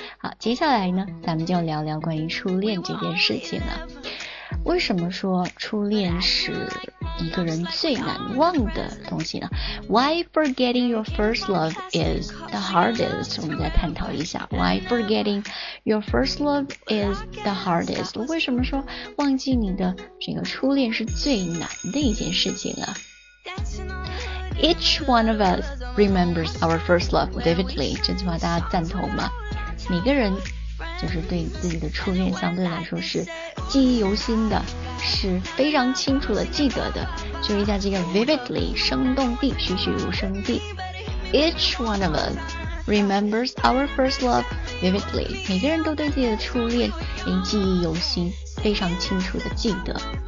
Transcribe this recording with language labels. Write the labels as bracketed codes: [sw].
[zh] 好，接下来呢咱们就聊聊关于初恋这件事情了。为什么说初恋是一个人最难忘的东西呢？ [en] Why forgetting your first love is the hardest? [zh] 我们再探讨一下 [en] Why forgetting your first love is the hardest? [zh] 为什么说忘记你的这个初恋是最难的一件事情啊？ [en] Each one of us remembers our first love vividly. [zh] 这句话大家赞同吗？每个人就是对自己的初恋相对来说是记忆犹新的，是非常清楚的记得的。注意一下这个 vividly， 生动地，栩栩如生地。 [en] Each one of us remembers our first love vividly， [zh] 每个人都对自己的初恋记忆犹新，非常清楚的记得。